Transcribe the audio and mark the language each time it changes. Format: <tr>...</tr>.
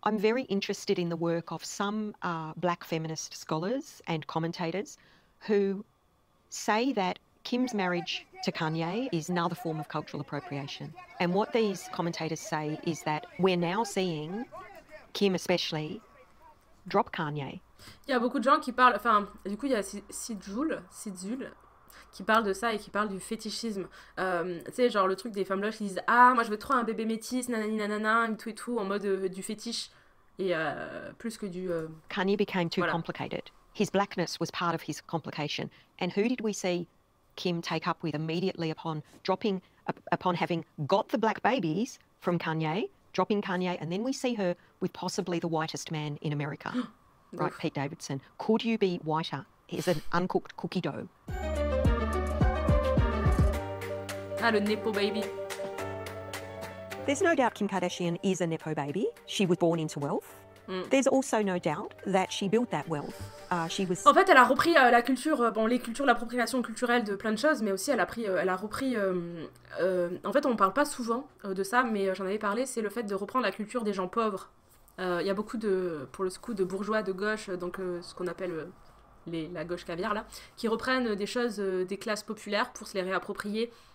<en>I'm very interested in the work of some black feminist scholars and commentators who say that Kim's marriage to Kanye is another form of cultural appropriation. And what these commentators say is that we're now seeing Kim especially drop Kanye.</en> <fr>Il y a beaucoup de gens qui parlent, enfin, du coup, il y a Sidjul, qui parle de ça et qui parle du fétichisme. Tu sais, genre le truc des femmes blanches qui disent « Ah, moi je veux trop un bébé métis, nananinanana, tout et tout, en mode du fétiche. » Et plus que du...</fr> <en>Kanye became too complicated. His blackness was part of his complication. And who did we see Kim take up with immediately upon dropping, upon having got the black babies from Kanye, dropping Kanye, and then we see her with possibly the whitest man in America, right, Pete Davidson. Could you be whiter? It's an uncooked cookie dough.</en> <fr>Ah, le nepo baby.</fr> <en>There's no doubt Kim Kardashian is a nepo baby. She was born into wealth. There's also no doubt that she built that wealth. She was.</en> <fr>En fait, elle a repris la culture, bon, les cultures, l'appropriation culturelle de plein de choses, mais aussi elle a pris, en fait, on parle pas souvent de ça, mais j'en avais parlé, c'est le fait de reprendre la culture des gens pauvres. Il y a beaucoup de, pour le coup, de bourgeois de gauche, donc ce qu'on appelle la gauche caviar là, qui reprennent des choses des classes populaires pour se les réapproprier.</fr>